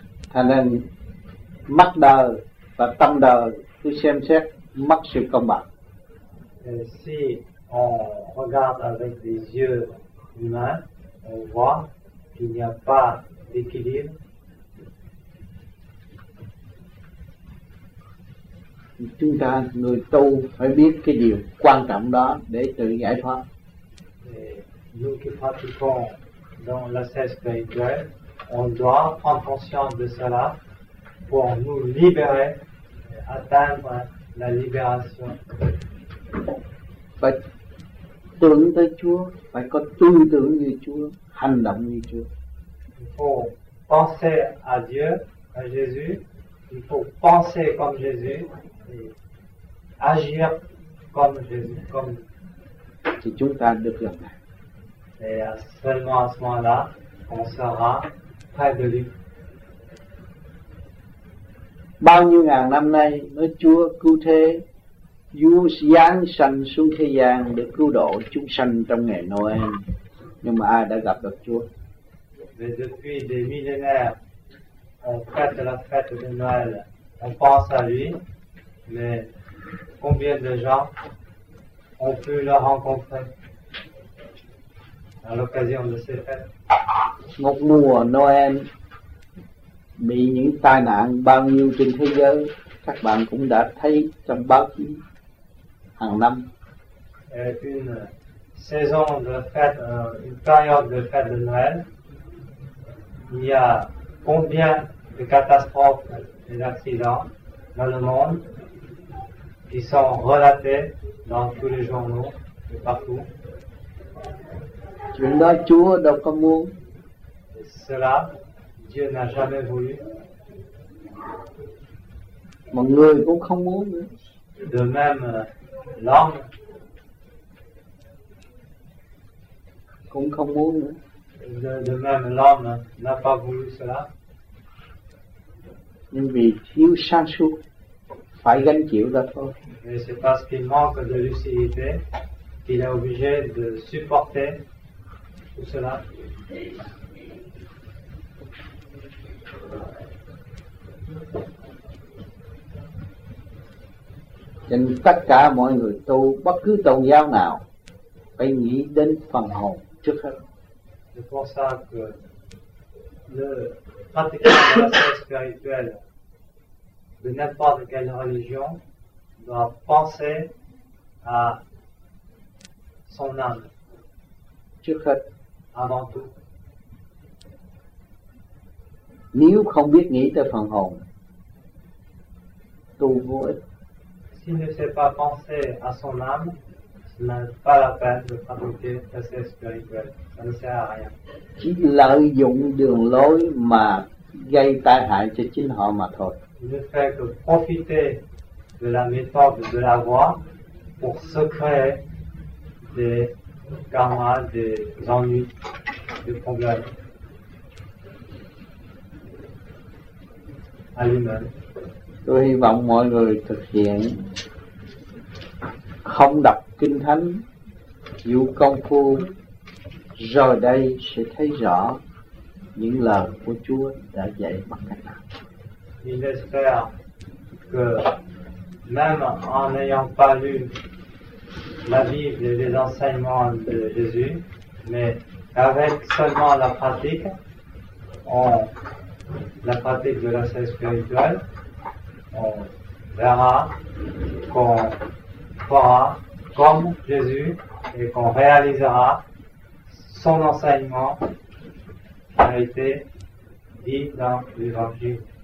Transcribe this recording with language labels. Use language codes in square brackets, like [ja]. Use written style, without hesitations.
[vi] Thành nên mắt đời và tâm đời cứ xem xét mất sự công bằng. [fr] Et si on regarde avec des yeux humains, on voit qu'il n'y a pas d'équilibre. [vi] Chúng ta người tu phải biết cái điều quan trọng đó để tự giải thoát. [fr] Nous qui pratiquons dans la sagesse, on doit prendre conscience de cela pour nous libérer, atteindre la libération. [vi] Phải tưởng tới Chúa, phải có tư tưởng như Chúa, hành động như Chúa. [fr] Il faut penser à Dieu, à Jésus. Il faut penser comme Jésus. Agir comme Jésus, comme si [vi] chúng ta được gặp Ngài. [fr] Et seulement à ce moment-là, on sera près de lui. [vi] Bao nhiêu ngàn năm nay, nói Chúa cứu thế, Chúa giáng sanh xuống thế gian để cứu độ chúng sanh trong ngày Noël. Nhưng mà ai đã gặp được Chúa? [fr] Mais depuis des millénaires, on fête la fête de Noël, on pense à lui. Mais combien de gens ont pu le rencontrer à l'occasion de ces fêtes? [vi] Một mùa Noël bị những tai nạn bao nhiêu trên thế giới, các bạn cũng đã thấy trong báo chí hàng năm. [fr] Et une saison de fête, une période de fête de Noël, il y a combien de catastrophes et d'accidents dans le monde? Qui sont relatés dans tous les journaux et partout. [vi] Chuyện đó Chúa đâu có muốn. [fr] Et cela, Dieu n'a jamais voulu. [vi] Mọi người cũng không muốn nữa. [fr] De même, l'homme [vi] cũng không muốn nữa. [fr] de même l'homme n'a pas voulu cela. [vi] Nhưng vì thiếu sáng suốt, phải gánh chịu đó thôi. [fr] Et c'est parce qu'il manque de lucidité qu'il est obligé de supporter tout cela. [vi] Nên tất cả mọi người tu bất cứ tôn giáo nào phải nghĩ đến phần hồn trước hết. [fr] Je pense que le pratiquant de la science spirituelle de n'importe quelle religion doit penser à son âme [vi] trước hết. [fr] Avant tout. [vi] Nếu không biết nghĩ tới phần hồn, tu vô ích. [fr] S'il ne sait pas penser à son âme, ce n'est pas la peine de pratiquer la science spirituelle. Ça ne sert à rien. [vi] Chỉ lợi dụng đường lối mà gây tai hại cho chính họ mà thôi. [fr] Il ne fait que profiter de la méthode de la voie pour se créer des karmas, des ennuis, des problèmes à lui-même. [vi] Tôi hy vọng mọi người thực hiện không đọc kinh thánh, dụ công phu, rồi đây sẽ thấy rõ những lời của Chúa đã dạy bằng cách nào. [fr] Il espère que même en n'ayant pas lu la Bible et les enseignements de Jésus, mais avec seulement la pratique, la pratique de la science spirituelle, on verra qu'on fera comme Jésus et qu'on réalisera son enseignement qui a été dit dans l'Évangile.